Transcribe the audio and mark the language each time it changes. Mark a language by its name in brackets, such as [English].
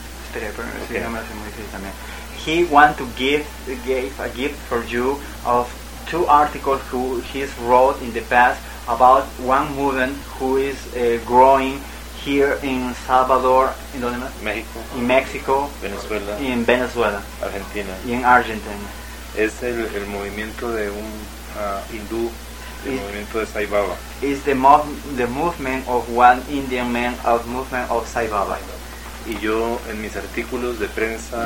[Spanish] Espera, pero okay. Sí, no me hace muy feliz también. [English] He want to give a gift for you of two articles who he's wrote in the past about one movement who is growing here in Salvador, in [Spanish] donde más? México, [English] in Mexico, [Spanish] Venezuela, [English] in Venezuela, [Spanish] Argentina, [English] in Argentina. [Spanish] Es el movimiento de un hindú, movimiento de Sai Baba. [English] Is the movement of one Indian man of movement of Sai Baba. [Spanish] Y yo en mis artículos de prensa.